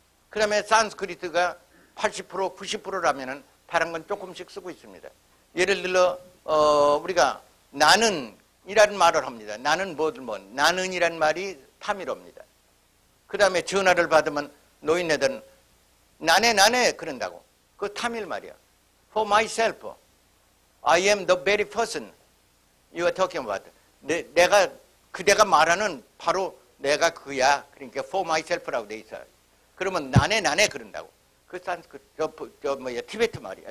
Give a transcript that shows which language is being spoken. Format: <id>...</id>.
<ko>그 다음에 산스크리트가 80% 90%라면은 다른 건 조금씩 쓰고 있습니다. 예를 들어 우리가 나는 이라는 말을 합니다. 나는 뭐든 뭐 나는 이라는 말이 타밀어입니다. 그 다음에 전화를 받으면 노인네들은 나네 나네 그런다고. 그 타밀 말이야.</ko> <en>For myself, I am the very person you are talking about.</en> <ko>내가 그대가 말하는 바로 내가 그야. 그러니까</ko> <en>for myself</en> <ko>라고 돼 있어. 그러면 나네 나네 그런다고. 그 산스크리트 티베트 말이야.</ko>